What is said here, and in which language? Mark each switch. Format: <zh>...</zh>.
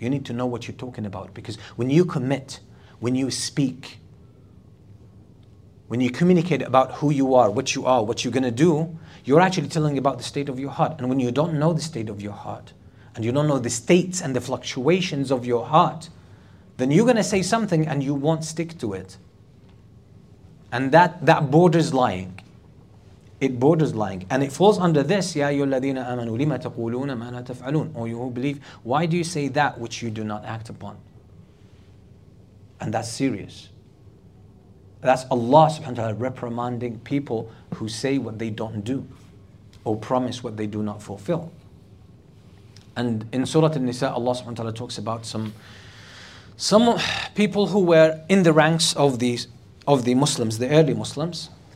<en>You need to know what you're talking about. Because when you commit, when you speak, when you communicate about who you are, what you are, what you're going to do, you're actually telling about the state of your heart. And when you don't know the state of your heart, and you don't know the states and the fluctuations of your heart, then you're going to say something and you won't stick to it. And that borders lying. It borders lying. And it falls under this,</en> <ar>يَا أَيُّ الَّذِينَ آمَنُوا لِمَ تَقُولُونَ مَا لَا تَفْعَلُونَ.</ar> <en>Or you who believe, why do you say that which you do not act upon? And that's serious. That's Allah subhanahu wa ta'ala reprimanding people who say what they don't do, or promise what they do not fulfill. And in Surah Al-Nisa, Allah subhanahu wa ta'ala talks about some people who were in the ranks of the Muslims, the early Muslims.</en>